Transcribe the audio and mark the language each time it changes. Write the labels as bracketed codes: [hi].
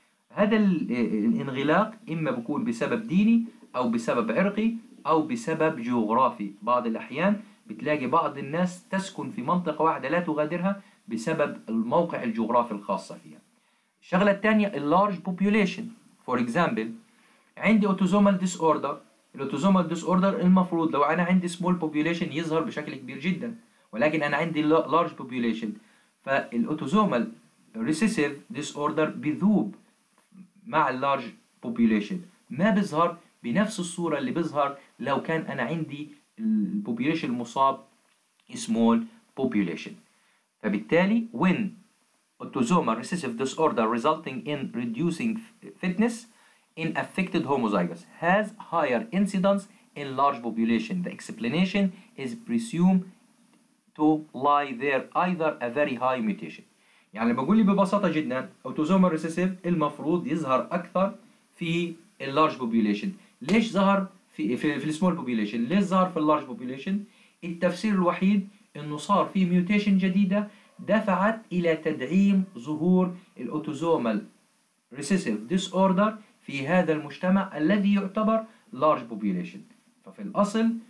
[ar] هذا الانغلاق إما بيكون بسبب ديني أو بسبب عرقي أو بسبب جغرافي. بعض الأحيان بتلاقي بعض الناس تسكن في منطقة واحدة لا تغادرها بسبب الموقع الجغرافي الخاصة فيها. الشغلة الثانية large population. [en] For example [ar] عندي [en] autosomal disorder. [ar] الautosomal disorder المفروض لو أنا عندي small population يظهر بشكل كبير جدا، ولكن أنا عندي large population فالautosomal recessive disorder بيذوب مع اللارج بوبوليشن، ما بيظهر بنفس الصورة اللي بيظهر لو كان أنا عندي البوبوليشن المصاب small population. فبالتالي [en] when autosomal recessive disorder resulting in reducing fitness in affected homozygous has higher incidence in large population, the explanation is presumed to lie there either a very high mutation. [ar] يعني بقول لي ببساطة جدا autosomal recessive المفروض يظهر أكثر في الـ large population. ليش ظهر في الـ small population؟ ليش ظهر في الـ large population؟ التفسير الوحيد إنه صار في mutation جديدة دفعت إلى تدعيم ظهور الـ autosomal recessive disorder في هذا المجتمع الذي يعتبر large population. ففي الأصل